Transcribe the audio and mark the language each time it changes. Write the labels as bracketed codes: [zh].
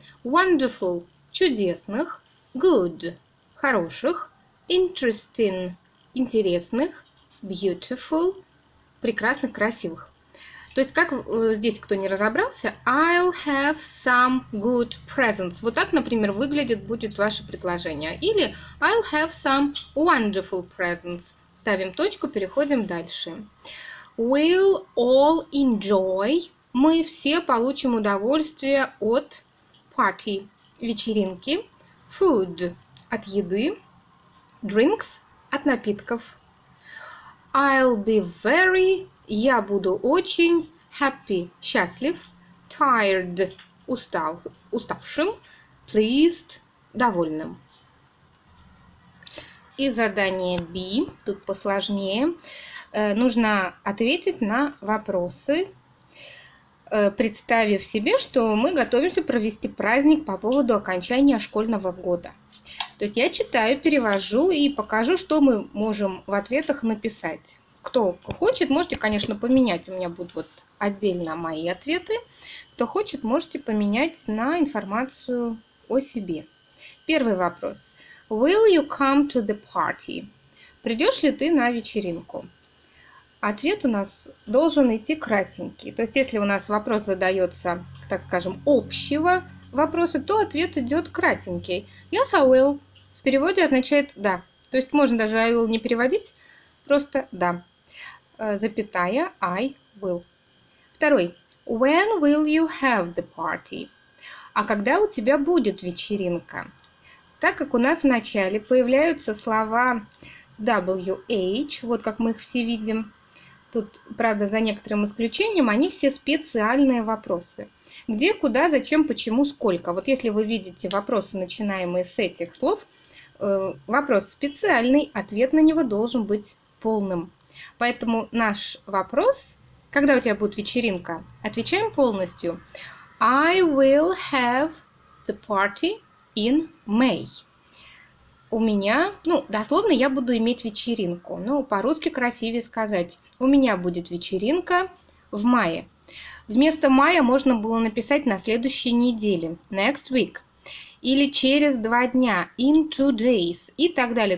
[ru] Wonderful, чудесных, good, хороших, interesting, интересных, beautiful, прекрасных, красивых. То есть, как здесь кто не разобрался, [en] I'll have some good presents. [ru] Вот так, например, выглядит будет ваше предложение. [en] Или I'll have some wonderful presents. [ru] Ставим точку, переходим дальше. [en] We'll all enjoy. [ru] Мы все получим удовольствие от party, вечеринки. Food, от еды. Drinks, от напитков. [en] I'll be very, [ru] я буду очень happy, счастлив. Tired, уставшим. Pleased, довольным. И задание B, тут посложнее, нужно ответить на вопросы, представив себе, что мы готовимся провести праздник по поводу окончания школьного года. То есть я читаю, перевожу и покажу, что мы можем в ответах написать. Кто хочет, можете, конечно, поменять, у меня будут вот отдельно мои ответы. Кто хочет, можете поменять на информацию о себе. Первый вопрос. [en] Will you come to the party? [ru] Придешь ли ты на вечеринку? Ответ у нас должен идти кратенький. То есть, если у нас вопрос задается, так скажем, общего вопроса, то ответ идет кратенький. [en] Yes, I will. [ru] В переводе означает да. То есть можно даже [en] I will [ru] не переводить, просто да. Запятая [en] I will. [ru] Второй. [en] When will you have the party? [ru] А когда у тебя будет вечеринка? Так как у нас в начале появляются слова с WH, вот как мы их все видим. Тут, правда, за некоторым исключением, они все специальные вопросы. Где, куда, зачем, почему, сколько. Вот если вы видите вопросы, начинаемые с этих слов, вопрос специальный, ответ на него должен быть полным. Поэтому наш вопрос, когда у тебя будет вечеринка, отвечаем полностью. [en] I will have the party in May. [ru] У меня, ну, дословно я буду иметь вечеринку, но по-русски красивее сказать. У меня будет вечеринка в мае. Вместо мая можно было написать на следующей неделе. [en] Next week. [ru] или через 2 дня, [en] in 2 days, [ru] и так далее.